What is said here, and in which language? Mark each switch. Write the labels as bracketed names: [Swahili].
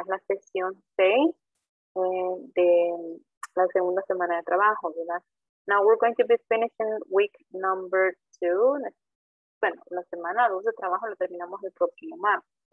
[Spanish] Es la sesión 6 de la segunda semana de trabajo, ¿verdad? [English] Now we're going to be finishing week number 2. [Spanish] Bueno, la semana 2 de trabajo la terminamos el próximo martes.